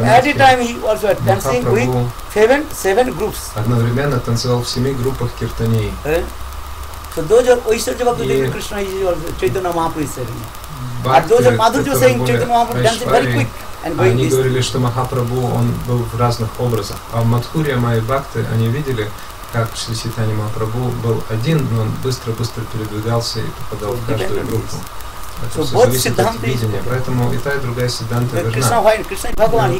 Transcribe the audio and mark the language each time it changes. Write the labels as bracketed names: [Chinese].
[English] every time he was dancing with seven groups. [Russian] Одновременно танцевал в семи группах киртаней. [English] So those are Oishwarya Bhakti Devi Krishna is or Chaitanya Mahaprabhu is saying. But those are Madhurya saying Chaitanya Mahaprabhu dancing very quick and going [Russian] this. Они говорили, что Махапрабху он был в разных образах. А в Мадхурья Майи Бхакты они видели, как Шри Чайтанья Махапрабху был один, но он быстро-быстро передвигался и попадал в каждую группу. Это [English] so [Russian] все зависит от видения, поэтому и та, и другая сиддханта верна.